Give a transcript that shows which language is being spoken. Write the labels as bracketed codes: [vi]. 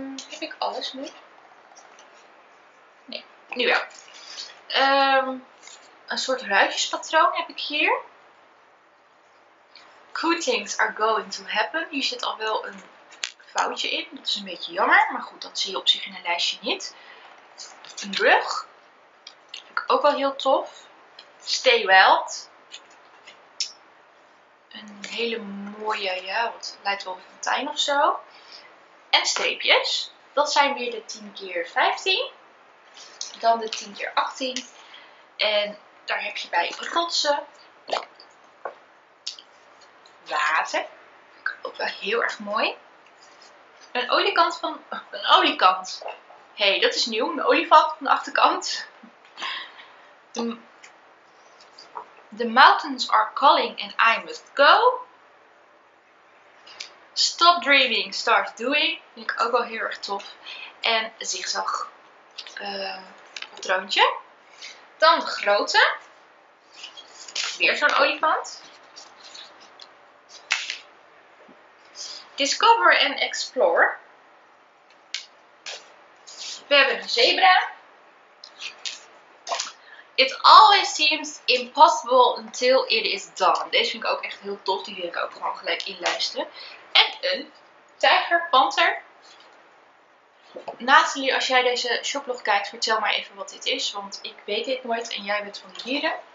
[nl] Heb ik alles nu? Nee, nu wel. Een soort ruitjespatroon heb ik hier. [en] Cool things are going to happen. [nl] Hier zit al wel een foutje in. Dat is een beetje jammer. Maar goed, dat zie je op zich in een lijstje niet. Een brug. Vind ik ook wel heel tof. [en] Stay wild. [nl] Een hele mooie, ja, wat lijkt wel een fontein of zo. En streepjes. Dat zijn weer de 10x15. Dan de 10x18. En daar heb je bij rotsen. Water. Ook wel heel erg mooi. Een olifant van... Een olifant. Hé, hey, dat is nieuw. Een olifant van de achterkant. [en] The mountains are calling and I must go. Stop dreaming, start doing. [nl] Vind ik ook wel heel erg tof. En een zigzag patroontje. Dan de grote. Weer zo'n olifant. [en] Discover and explore. [nl] We hebben een zebra. [en] It always seems impossible until it is done. [nl] Deze vind ik ook echt heel tof. Die wil ik ook gewoon gelijk inluisteren. En een tijger, panter. Nathalie, als jij deze shoplog kijkt, vertel maar even wat dit is. Want ik weet dit nooit en jij bent van de dieren.